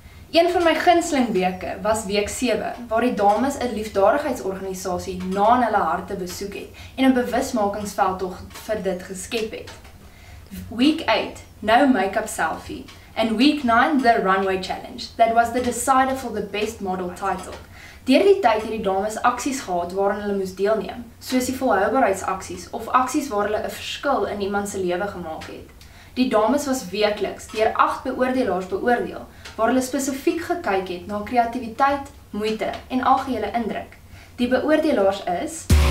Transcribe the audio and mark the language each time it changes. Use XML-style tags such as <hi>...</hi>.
<af>Een van my gunsteling weke was week 7, waar die dames 'n liefdadigheidsorganisasie na in hulle harte besoek het en 'n bewusmakingsveldtog vir dit geskep het.</af> <en>Week 8, no make-up selfie, and week 9, the runway challenge, that was the decider for the best model title.</en> <af>Deur die tyd het die dames aksies gehad waaraan hulle moes deelneem, soos die volhoubaarheidsaksies of aksies waar hulle 'n verskil in iemand se lewe gemaak het. Die dames was weekliks deur 8 beoordelaars beoordeel, waar hulle spesifiek gekyk het na kreatiwiteit, moeite en algehele indruk. Die beoordelaars is</af>